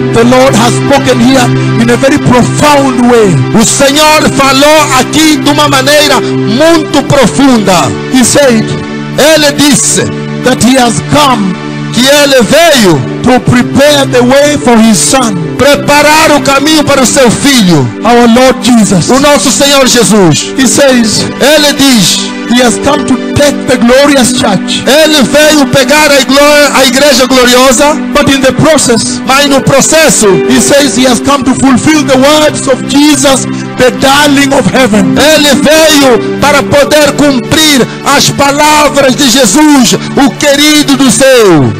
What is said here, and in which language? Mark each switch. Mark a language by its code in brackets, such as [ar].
[en] The Lord has spoken here in a very profound way. [pt] O Senhor falou aqui de uma maneira muito profunda. [en] He said, [pt] ele disse, [en] that he has come, [pt] que ele veio, [en] to prepare the way for his son, [pt] preparar o caminho para o seu filho, [en] our Lord Jesus, [pt] o nosso Senhor Jesus. [en] He says, [pt] ele diz, [en] he has come to take the glorious church. [pt] Ele veio pegar a igreja gloriosa. [en] But in the process, [pt] mas no processo, [en] he says he has come to fulfill the words of Jesus, the darling of heaven. [pt] Ele veio para poder cumprir as palavras de Jesus, o querido do céu.